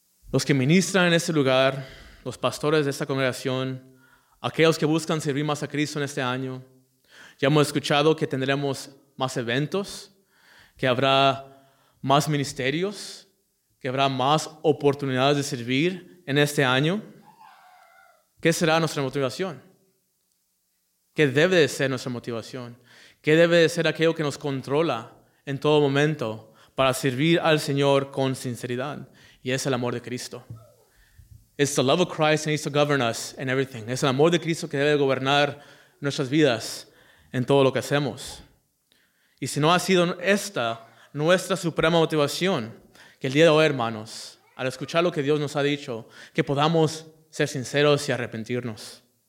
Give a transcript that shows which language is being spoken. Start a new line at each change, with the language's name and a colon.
Spanish: Los que ministran en este lugar, los pastores de esta congregación, aquellos que buscan servir más a Cristo en este año, ya hemos escuchado que tendremos más eventos, que habrá más ministerios, que habrá más oportunidades de servir en este año. ¿Qué será nuestra motivación? ¿Qué debe de ser nuestra motivación? ¿Qué debe de ser aquello que nos controla en todo momento para servir al Señor con sinceridad? Y es el amor de Cristo.
English: It's the love of Christ that needs to govern us in everything.
Spanish: Es el amor de Cristo que debe gobernar nuestras vidas en todo lo que hacemos. Y si no ha sido esta nuestra suprema motivación, que el día de hoy, hermanos, al escuchar lo que Dios nos ha dicho, que podamos ser sinceros y arrepentirnos.